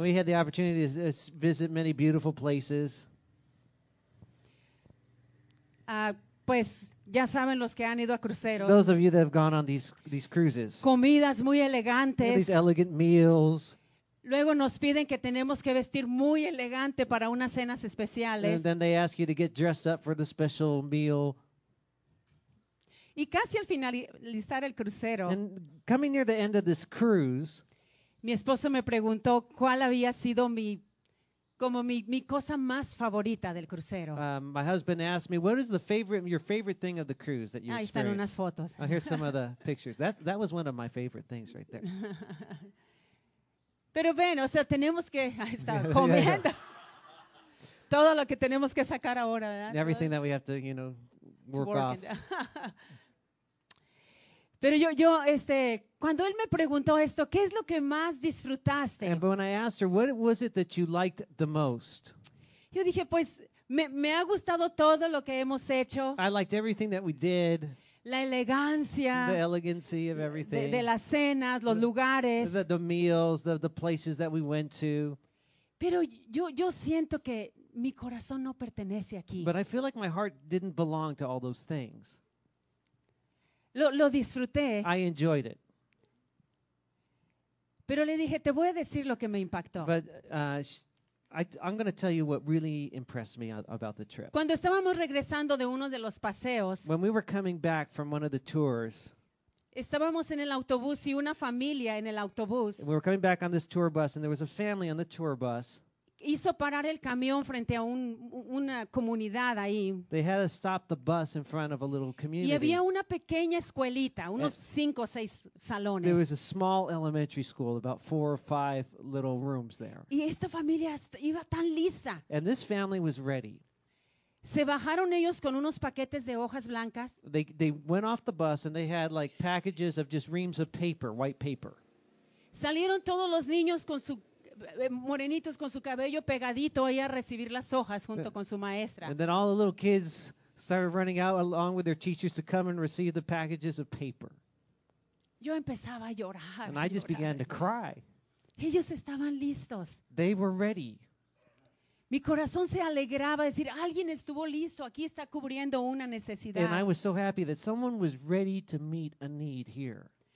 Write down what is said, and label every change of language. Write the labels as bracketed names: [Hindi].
[English] We had the opportunity to visit many beautiful places. [Spanish] Pues Ya saben los que han ido a cruceros. [English] Those of you that have gone on these cruises. [Spanish] Comidas muy elegantes. [English] These elegant meals. [Spanish] Luego nos piden que tenemos que vestir muy elegante para unas cenas especiales. [English] And then they ask you to get dressed up for the special meal. [Spanish] Y casi al finalizar el crucero, [English] and coming near the end of this cruise, [Spanish] mi esposo me preguntó cuál había sido mi cosa más favorita del crucero. [English] My husband asked me, what is your favorite thing of the cruise that you experienced? [Spanish] Ahí están unas fotos. [English] Oh, here's some of the pictures. That was one of my favorite things right there. [Spanish] Pero ven, o sea, tenemos que estar comiendo todo lo que tenemos que sacar ahora, ¿verdad? [English] Everything that we have to, work off. [Spanish] Pero yo, cuando él me preguntó esto, ¿qué es lo que más disfrutaste? [English] And when I asked her, what was it that you liked the most? [Spanish] Yo dije, pues, me ha gustado todo lo que hemos hecho. [English] I liked everything that we did. [Spanish] La elegancia. [English] The elegancy of everything. [Spanish] De las cenas, los lugares. [English] The meals, the places that we went to. [Spanish] Pero yo siento que mi corazón no pertenece aquí. [English] But I feel like my heart didn't belong to all those things. [Spanish] Lo disfruté. [English] I enjoyed it. [Spanish] Pero le dije, te voy a decir lo que me impactó. [English] But I'm going to tell you what really impressed me about the trip. [Spanish] Cuando estábamos regresando de uno de los paseos, [English] when we were coming back from one of the tours, [Spanish] estábamos en el autobús y una familia en el autobús. [English] We were coming back on this tour bus and there was a family on the tour bus. [Spanish] Hizo parar el camión frente a una comunidad ahí. [English] They had to stop the bus in front of a little community. [Spanish] Y había una pequeña escuelita, unos 5 or 6 salones. [English] There was a small elementary school, about 4 or 5 little rooms there. [Spanish] Y esta familia iba tan lista. [English] And this family was ready. [Spanish] Se bajaron ellos con unos paquetes de hojas blancas. [English] They went off the bus and they had like packages of just reams of paper, white paper. [Spanish] Salieron todos los niños con su morenitos con su cabello pegadito ahí a recibir las hojas junto con su maestra. [English] And then all the little kids started running out along with their teachers to come and receive the packages of paper. [Spanish] Yo empezaba a llorar. [English] And I just began to cry. [Spanish] Ellos estaban listos. [English] They were ready. [Spanish] Mi corazón se alegraba decir, alguien estuvo listo, aquí está cubriendo una necesidad. [English] And I was so happy that someone was ready to meet a need here.